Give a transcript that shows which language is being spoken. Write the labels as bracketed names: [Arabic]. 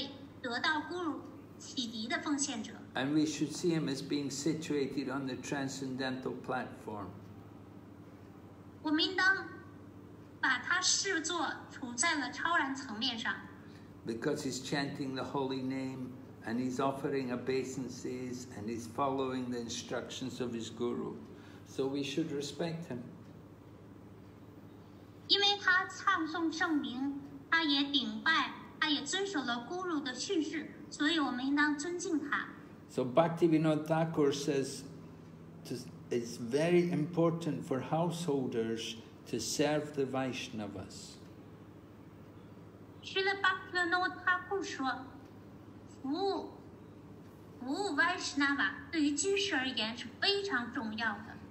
[Chinese] 假如一个人已经是进步了奉献者的话，那么他们应该尊敬任何一位得到guru启迪的奉献者。 [English] And we should see him as being situated on the transcendental platform. [Chinese] 我们应当把他视作处在了超然层面上。 [English] Because he's chanting the holy name, and he's offering obeisances, and he's following the instructions of his guru. So we should respect him. [Chinese] 因为他唱诵圣名，他也顶拜，他也遵守了guru的训示，所以我们应当尊敬他。 [English] So Bhaktivinoda Thakur says it's very important for householders to serve the Vaishnavas. [Chinese] Srila Bhaktivinoda Thakur 说服务 Vaishnava 对于居士而言是非常重要的。